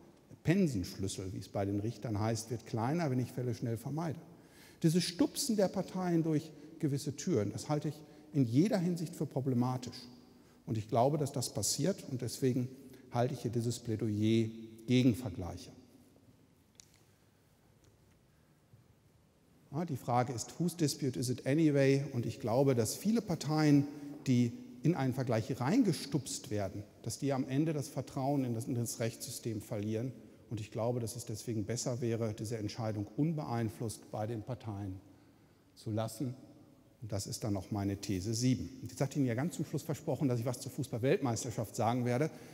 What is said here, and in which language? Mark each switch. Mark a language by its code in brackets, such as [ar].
[de] Der Pensenschlüssel, wie es bei den Richtern heißt, wird kleiner, wenn ich Fälle schnell vermeide. Dieses Stupsen der Parteien durch gewisse Türen, das halte ich in jeder Hinsicht für problematisch. Und ich glaube, dass das passiert und deswegen halte ich hier dieses Plädoyer gegen Vergleiche. Ja, die Frage ist, [en] whose dispute is it anyway? [de] Und ich glaube, dass viele Parteien, die in einen Vergleich reingestupst werden, dass die am Ende das Vertrauen in das Rechtssystem verlieren. Und ich glaube, dass es deswegen besser wäre, diese Entscheidung unbeeinflusst bei den Parteien zu lassen. Und das ist dann noch meine These 7. Jetzt hatte ich Ihnen ja ganz zum Schluss versprochen, dass ich was zur Fußball-Weltmeisterschaft sagen werde.